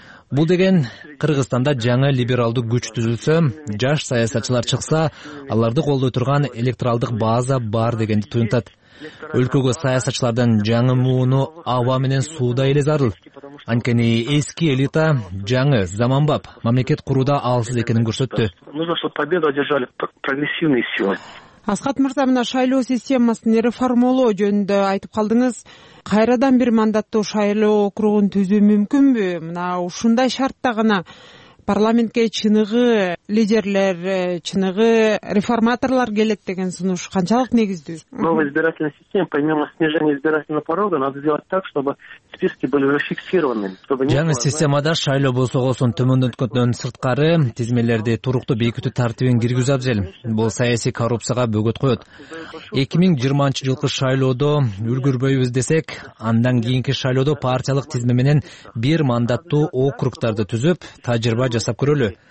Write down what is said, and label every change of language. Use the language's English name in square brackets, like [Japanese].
[Kyrgyz] Бул деген Кыргызстанда жаңы либералдык күч түзүлсө, жаш саясатчылар чыкса, аларды колдой турган электоралдык база бар дегенди туюнтат. Өлкөгө саясатчылардын жаңы мууну аба менен суудай эле зарыл. Анткени эски элита жаңы заманбап мамлекет курууда алсыз экенин көрсөттү. [Russian] Нужно, чтобы победу одержали прогрессивные силы. [Kyrgyz] Асхат мырза, мына шайлоо системасын реформалоо жөнүндө айтып калдыңыз. Кайрадан бир мандаттуу шайлоо округун түзүү мүмкүнбү? Мына ушундай шартта гана парламентке чыныгы лидерлер, чыныгы реформаторлор келет деген сунуш канчалык негиздүү? [Russian] Новая избирательная система, помимо снижения избирательного порога, надо сделать так, чтобы списки были зафиксированы. [Kyrgyz] Жаңы системада шайлоо босогосун төмөндөткөндөн сырткары тизмелерди туруктуу бекитүү тартибин киргизүү абзел. Бул саясий коррупцияга бөгөт коет. 2020-жылкы шайлоодо үлгүрбөйбүз десек, андан кийинки шайлоодо партиялык тизме менен бир мандаттуу округдарды түзүп, тажрыйба жасап көрөлү.